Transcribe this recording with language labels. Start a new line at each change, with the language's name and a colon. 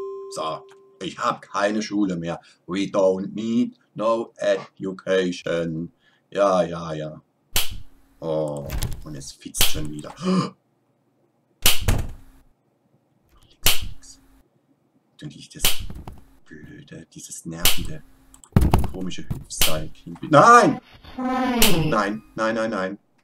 German: So, ich hab keine Schule mehr.
English: We don't need no education.
German: Ja, ja, ja. Oh, und es fitzt schon wieder. Und ich das blöde, dieses nervige, komische Hüpfseilchen. Nein! Nein, nein, nein, nein.